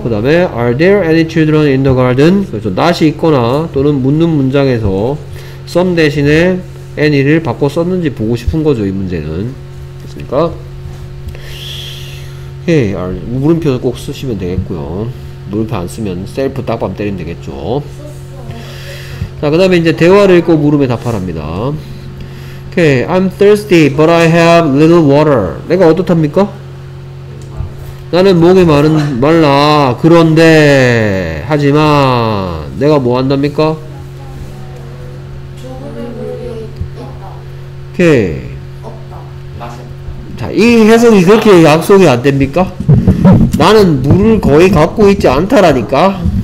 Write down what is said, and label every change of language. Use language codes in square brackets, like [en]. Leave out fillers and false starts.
[ko] 그 다음에 [en] Are there any children in the garden? [ko] 그래서 not이 있거나 또는 묻는 문장에서 some 대신에 any를 바꿔 썼는지 보고 싶은 거죠. 이 문제는 됐습니까? 예, 물음표 꼭 쓰시면 되겠고요. 물음표 안 쓰면 셀프 딱밤 때리면 되겠죠. 자, 그 다음에 이제 대화를 읽고 물음에 답하랍니다. [en] Okay, I'm thirsty, but I have little water. [ko] 내가 어떻답니까? 나는 목이 말라. 그런데, 하지만, 내가 뭐 한답니까? 조금의 물이 있다. [en] Okay. [ko] 없다. 자, 이 해석이 그렇게 약속이 안 됩니까? 나는 물을 거의 갖고 있지 않다라니까?